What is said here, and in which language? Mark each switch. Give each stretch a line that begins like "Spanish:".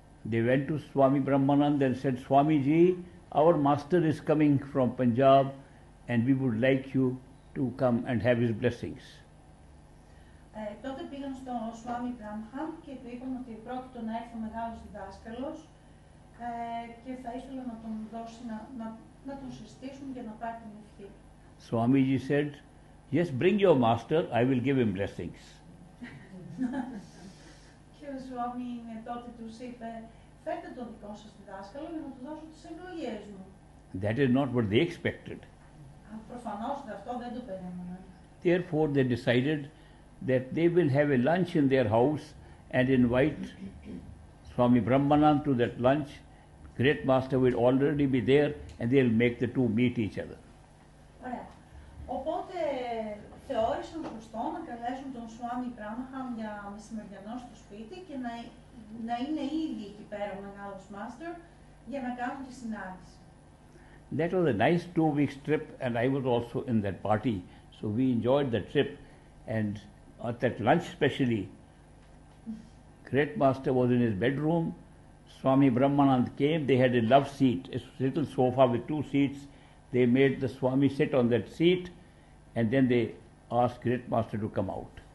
English: They went to Swami Brahmanand and said, Swamiji, our master is coming from Punjab and we would like you to come and have his blessings.
Greek: Τότε πήγαν στον Σουάμι Μπραμχάμ και του είπαν ότι πρόκειτο να έρθει ο μεγάλος διδάσκαλος και θα ήθελα να τον δώσει να τον συστήσουν για να πάρει την ευχή.
English: Swamiji said, yes, bring your master, I will give him blessings.
Greek: Και ο Σουάμι τότε του είπε, φέρτε τον δικό σας διδάσκαλο για να του δώσω τις ευλογίες μου.
English: That is not what they expected.
Greek: Προφανώς αυτό δεν το περίμεναν.
English: Therefore they decided that they will have a lunch in their house and invite Swami Brahmanand to that lunch. Great Master will already be there and they will make the two meet each other.
Greek: Ωραία. Οπότε θεώρησαν σωστό να καλέσουν τον Swami Brahmanand για μεσημεριανό στο σπίτι και να είναι ήδη εκεί πέρα ο μεγάλος Master για να κάνουν τη συνάντηση.
English: That was a nice 2 week trip and I was also in that party. So we enjoyed the trip and at that lunch specially, Great Master was in his bedroom, Swami Brahmanand came, they had a love seat, a little sofa with 2 seats, they made the Swami sit on that seat and then they asked Great Master to come out.